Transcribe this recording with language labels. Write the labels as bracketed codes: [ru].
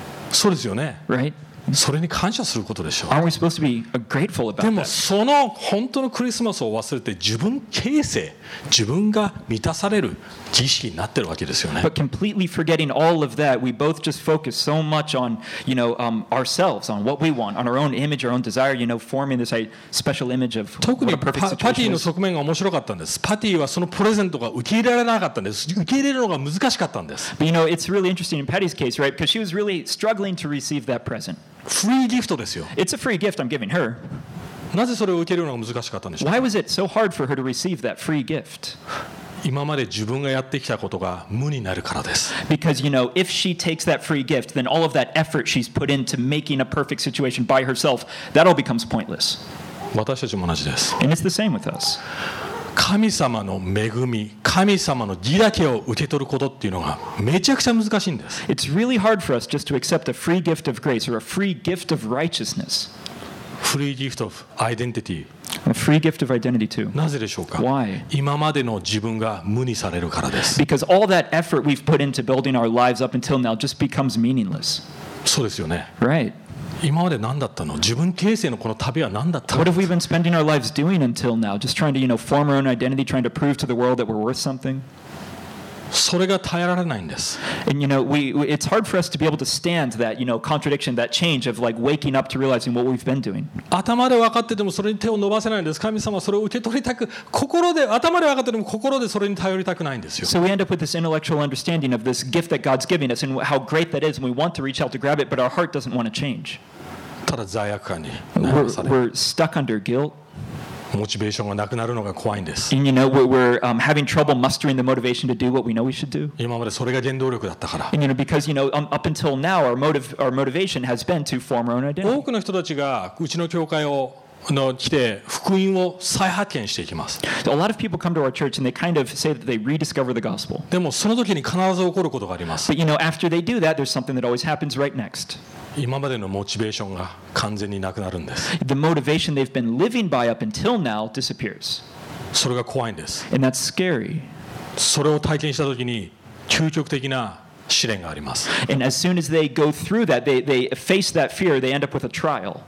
[ja] そうですよね。 [en] Right? [ja] それに感謝することでしょう。 [en] Aren't we supposed to be grateful about [ja] でもその本当のクリスマスを忘れて自分形成、自分が満たされる儀式になってるわけですよね。 [en] But completely forgetting all of that, we both just focus so much on, you know, ourselves, on what we want, on our own image, our own desire, you know, forming this special image of what a perfect situation is. [ja] 特にパティの側面が面白かったんです。パティはそのプレゼントが受け入れられなかったんです。受け入れるのが難しかったんです。 [en] But you know, it's really interesting in Patty's case, right? Because she was really struggling to receive that present. [ja] フリーギフトですよ。 [en] It's a free gift I'm giving her. [ja] なぜそれを受けるのが難しかったんでしょう。 [en] Why was it so hard for her to receive that free gift? [ja] 今まで自分がやってきたことが無になるからです。 [en] Because you know, if she takes that free gift, then all of that effort she's put into making a perfect situation by herself, that all becomes pointless. [ja] 私たちも同じです。 [en] And it's the same with us. [ja] 神様の恵み、神様の義だけを受け取ることっていうのがめちゃくちゃ難しいんです。 [en] It's really hard for us just to accept a free gift of grace or a free gift of righteousness. Free gift of identity. A free gift of identity too. [ja] なぜでしょうか? [en] Why? [ja] 今までの自分が無にされるからです。 [en] Because all that effort we've put into building our lives up until now just becomes meaningless. [ja] そうですよね。 [en] Right. [ja] 今まで何だったの？自分形成のこの旅は何だったの [en] ？What have we been spending our lives doing until now? Just trying to, you know, form our own identity, trying to prove to the world that we're worth something. [ja] それが耐えられないんです。 [en] And you know, it's hard for us to be able to stand that, you know, contradiction, that change of like waking up to realizing what we've been doing. [ja] 頭で分かっててもそれに手を伸ばせないんです。神様それを受け取りたく、心で、頭で分かってても心でそれに頼りたくないんですよ。 [en] So we end up with this intellectual understanding of this gift that God's giving us and how great that is, and we want to reach out to grab it, but our heart doesn't want to change. [ja] ただ罪悪感に悩まされる。 [en] We're stuck under guilt. [ja] モチベーションがなくなるのが怖いんです。 [en] And you know, we're having trouble mustering the motivation to do what we know we should do. [ja] 今までそれが原動力だったから。 [en] And you know, because you know, up until now, our motivation has been to form our own identity. [ja] 多くの人たちがうちの教会をの来て福音を再発見していきます。 [en] So、a lot of people come to our church and they kind of say that they rediscover the gospel. [ja] でもその時に必ず起こることがあります。 [en] But you know, after they do that, there's something that always happens right next. [ja] 今までのモチベーションが完全になくなるんです。 [en] The motivation they've been living by up until now disappears. [ja] それが怖いんです。 [en] And that's scary. [ja] それを体験したときに究極的な試練があります。 [en] And as soon as they go through that, they face that fear, they end up with a trial.